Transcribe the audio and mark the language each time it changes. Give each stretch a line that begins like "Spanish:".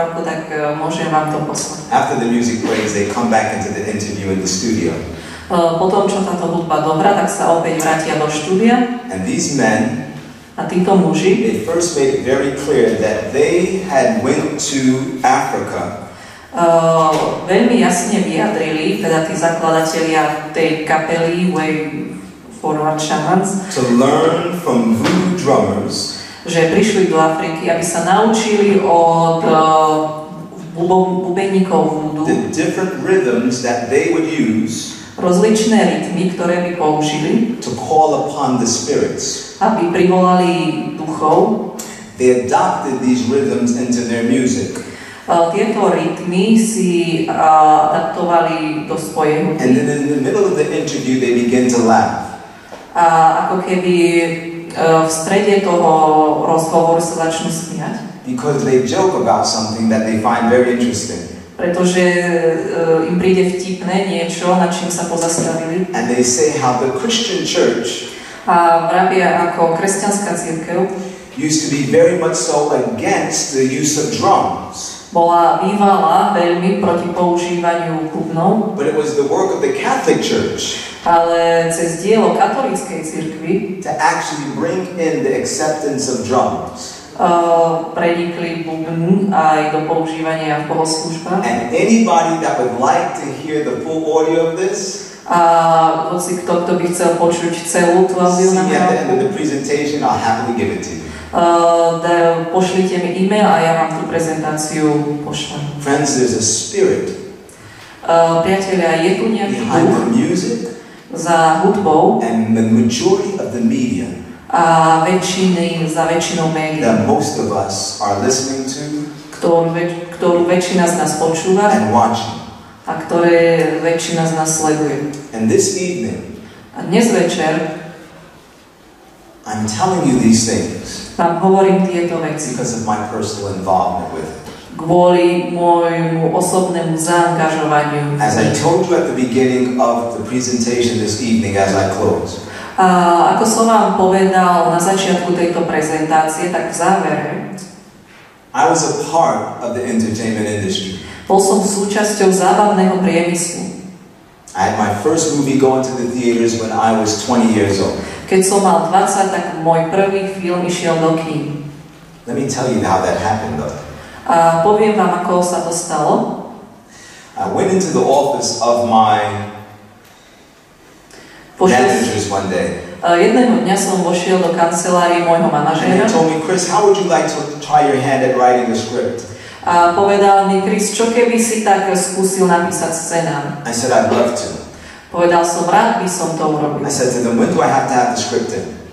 English: After the music plays, they come back into the interview in the studio.
Slovak: Potom čo táto hudba dohrá, tak sa opäť vrátia do štúdia.
English: And these men,
Slovak: a títo muži,
English: they first made it very clear that they had went to Africa.
Slovak: Veľmi jasne vyjadrili, teda tí zakladatelia tej kapely,
English: forward shamans, to learn from voodoo drummers,
Slovak: že prišli do Afriky, aby sa naučili od bubeníkov voodoo,
English: the different rhythms that they would use,
Slovak: rozličné rytmy, ktoré by použili,
English: to call upon the spirits,
Slovak: aby privolali duchov.
English: They adopted these rhythms into their music.
Slovak: Tieto rytmy si adaptovali do svojej hudby.
English: And then in the middle of the interview they begin to laugh.
Slovak: A ako keby v strede toho rozhovoru sa začnú smiať.
English: Because they joke about something that they find very interesting.
Slovak: Pretože im príde vtipné niečo, na čím sa pozastavili.
English: And they say how the Christian church,
Slovak: a vravia ako kresťanská cirkev,
English: used to be very much so against the use of drums.
Slovak: Bola bývala veľmi proti používaniu bubnov.
English: But it was the work of the Catholic Church.
Slovak: Ale cez dielo katolíckej cirkvi,
English: to actually bring in the acceptance of drums.
Slovak: Prenikli bubny aj do používania v bohoslužbách.
English: And anybody that would like to hear the full audio of this,
Slovak: a hoci kto by chcel počuť celú tú audio nahrávku,
English: at the end of the presentation, I'll happily give it to you.
Slovak: Pošlite mi e-mail a ja vám tú prezentáciu pošlem.
English: Friends, there's a spirit.
Slovak: Priatelia, je tu nejaký duch
English: behind the music
Slovak: za hudbou
English: and the majority of the media
Slovak: a za väčšinou médií
English: that most of us are listening to,
Slovak: ktorú väčšina z nás počúva
English: and watching,
Slovak: a ktoré väčšina z nás sleduje.
English: And this evening,
Slovak: a dnes večer,
English: I'm telling you these things
Slovak: vám hovorím tieto veci
English: because of my personal involvement with it.
Slovak: Kvôli môjmu osobnému zaangažovaniu.
English: As I told you at the beginning of the presentation this evening, as I close.
Slovak: A ako som vám povedal na začiatku tejto prezentácie, tak v závere,
English: I was a part of the entertainment industry.
Slovak: Bol som súčasťou zábavného priemyslu.
English: I had my first movie going to the theaters when I was 20 years old.
Slovak: Keď som mal 20, tak môj prvý film išiel do kín.
English: Let me tell you how that happened though.
Slovak: A poviem vám, ako sa to stalo.
English: I went into the office of my managers one day.
Slovak: Jedného dňa som vošiel do kancelárie môjho manažéra.
English: And he told me, Chris, how would you like to try your hand at writing the script?
Slovak: A povedal mi, Chris, čo keby si tak skúsil napísať scénar?
English: I said, I'd love to.
Slovak: Povedal som, rád by som to urobil.
English: I said to them, when do I have to have the script in?